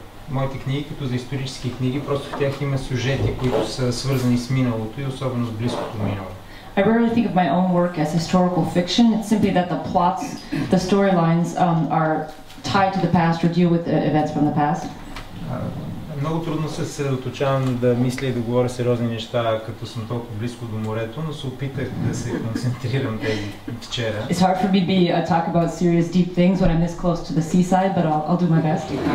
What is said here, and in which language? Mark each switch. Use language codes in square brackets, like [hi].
[bg] Моите книги като за исторически книги, просто в тях има сюжети, които са свързани с миналото и особено с близкото минало. [en] I rarely think of my own work as historical fiction. It's simply that the plots, the storylines are tied to the past or deal with events from the past. [bg] Много трудно се съсредоточавам да мисля и да говоря сериозни неща, като съм толкова близко до морето, но се опитах да се концентрирам тези вчера. [en] It's hard for me to be talk about serious deep things when I'm this close to the seaside, but I'll do my best.